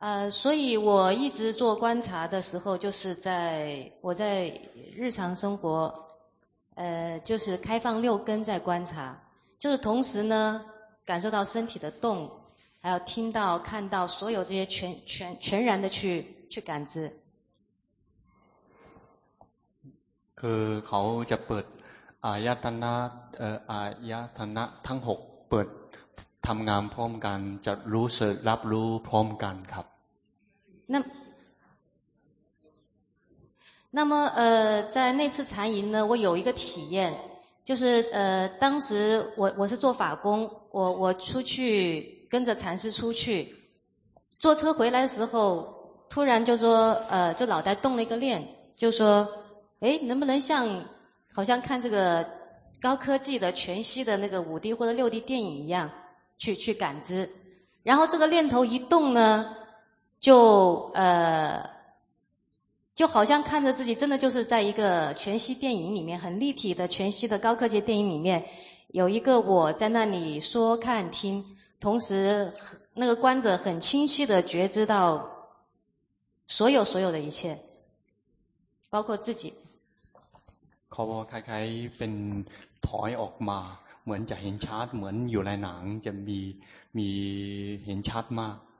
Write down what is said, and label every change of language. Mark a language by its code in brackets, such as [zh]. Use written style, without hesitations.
[zh] 所以我一直做观察的时候就是在我在日常生活就是开放六根在观察，就是同时呢感受到身体的动，还有听到看到所有这些全然的去感知。 [th] คือเขาจะเปิดอายตนะอายตนะทั้ง6เปิดทำงานพร้อมกันจะรู้สึกรับรู้พร้อมกันครับ。 [zh] 那么在那次禅营呢，我有一个体验，就是当时我是做法工，我出去跟着禅师出去，坐车回来的时候，突然就说就脑袋动了一个念，就说能不能像好像看这个高科技的全息的那个5D或者6D电影一样去感知，然后这个念头一动呢，就好像看着自己真的就是在一个全息电影里面，很立体的全息的高科技电影里面，有一个我在那里说看听，同时那个观者很清晰的觉知到所有的一切，包括自己。 [th] เขาบอกคล้ายๆเป็นถอยออกมาเหมือนจะเห็นชัดเหมือนอยู่ในหนังจะมีเห็นชัดมาก。